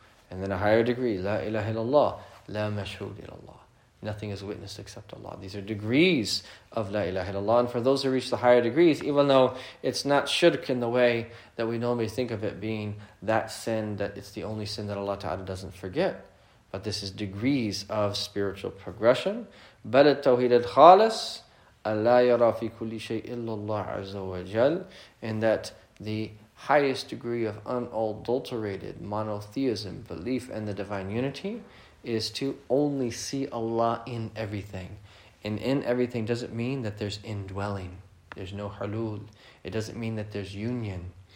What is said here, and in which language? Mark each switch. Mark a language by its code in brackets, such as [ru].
[en] And then a higher degree, [ar] La ilaha illallah, La mashhood illallah, [en] nothing is witnessed except Allah. These are degrees of La ilaha illallah. And for those who reach the higher degrees, even though it's not shirk in the way that we normally think of it being that sin, that it's the only sin that Allah Ta'ala doesn't forget, but this is degrees of spiritual progression. [ar] بل التوحيد الخالص ألا يرى في كل شيء إلا الله عز وجل. [en] And that the highest degree of unadulterated monotheism, belief in the divine unity, is to only see Allah in everything. And in everything doesn't mean that there's indwelling, there's no halul. It doesn't mean that there's union.